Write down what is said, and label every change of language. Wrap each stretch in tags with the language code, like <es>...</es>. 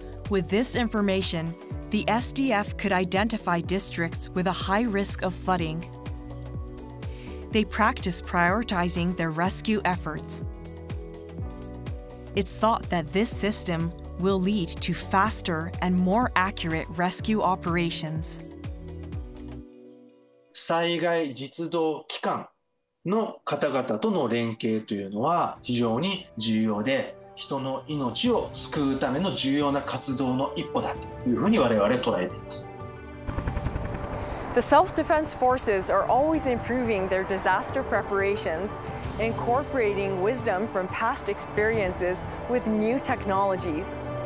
<en>With this information, the SDF could identify districts with a high risk of flooding. They practice prioritizing their rescue efforts. It's thought that this system will lead to faster and more accurate rescue operations.</en> <ja>災害実動機関の方々との連携というのは非常に重要で、人の命を救うための重要な活動の一歩だというふうに我々捉えています。</ja> <en>The self-defense forces are always improving their disaster preparations, incorporating wisdom from past experiences with new technologies.</en>